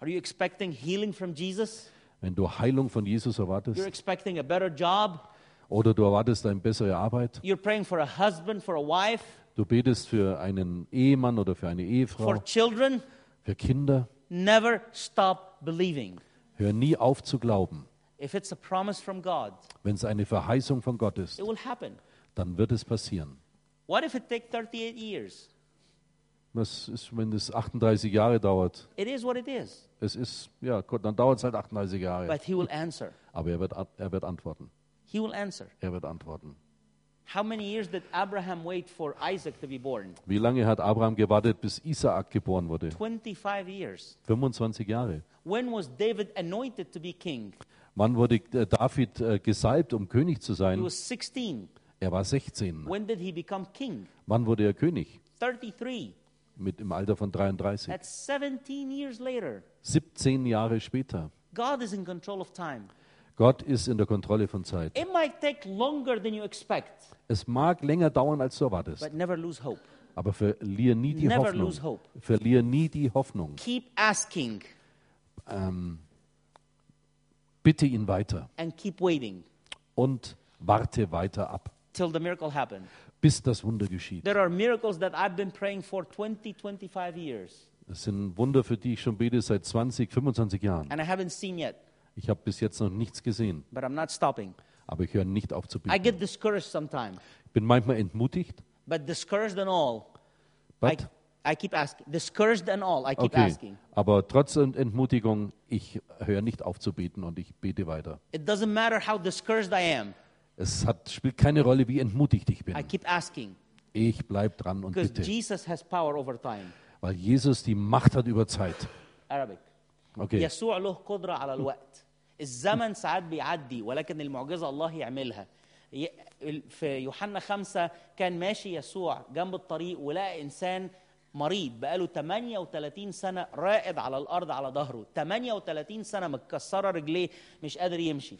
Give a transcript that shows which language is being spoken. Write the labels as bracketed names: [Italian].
[English] Are you expecting healing from Jesus? [German] Wenn du Heilung von Jesus erwartest, [English] you're expecting a better job. [German] Oder du erwartest eine bessere Arbeit. [English] You're praying for a husband, for a wife. [German] Du betest für einen Ehemann oder für eine Ehefrau. [English] For children. [German] Für Kinder. [English] Never stop believing. [German] Hör nie auf zu glauben. [English] If it's a promise from God, [German] wenn es eine Verheißung von Gott ist, [English] it will happen. [German] Dann wird es passieren. [English] What if it take 38 years? [German] Was ist, wenn es 38 Jahre dauert? [English] It is what it is. [German] Es ist, ja, Gott, dann dauert es halt 38 Jahre. [English] But he will answer. [German] Aber er wird antworten. [English] He will answer. [German] Er wird antworten. [English] How many years did Abraham wait for Isaac to be born? [German] Wie lange hat Abraham gewartet, bis Isaak geboren wurde? [English] 25 years. [German] 25 Jahre. [English] When was David anointed to be king? [German] Wann wurde David gesalbt, um König zu sein? [English] He was 16. [German] Er war 16. [English] When did he become king? [German] Wann wurde er König? [English] 33. [German] Mit im Alter von 33. [English] That's 17 years later. [German] 17 Jahre später. [English] God is in control of time. [German] Gott ist in der Kontrolle von Zeit. [English] It might take longer than you expect. [German] Es mag länger dauern, als du erwartest. [English] But never lose hope. [German] Aber verliere nie die [English] never [German] Hoffnung. [English] Lose hope. [German] Verliere nie die Hoffnung. [English] Keep asking. [German] Bitte ihn weiter. [English] And keep waiting. [German] Und warte weiter ab. [English] Till the miracle happens. [German] Bis das Wunder geschieht. [English] There are miracles that I've been praying for 20, 25 years. [German] Es sind Wunder, für die ich schon bete seit 20, 25 Jahren. [English] And I haven't seen yet. [German] Ich habe bis jetzt noch nichts gesehen. [English] But I'm not stopping. [German] Aber ich höre nicht auf zu beten. [English] I get discouraged sometimes. [German] Ich bin manchmal entmutigt. [English] But discouraged and all. But? I keep asking. Discouraged and all. I keep okay. asking. [German] Aber trotz Entmutigung, ich höre nicht auf zu beten und ich bete weiter. [English] It doesn't matter how discouraged I am. [German] Spielt keine Rolle, wie entmutigt ich bin. [English] I keep asking. [German] Ich bleibe dran und [English] Because [German] bitte. [English] Jesus has power over time. [German] Weil Jesus die Macht hat über Zeit. [English] Arabic. Okay. [Arabic] يسوع له قدرة على الوقت. الزمن ساعات بيعدي ولكن المعجزة الله يعملها. في يوحنا 5 كان ماشي يسوع جنب الطريق ولقى إنسان مريض بقاله 38 سنة رائد على الأرض على ظهره. 38 سنة مكسرة رجليه مش قادر يمشي.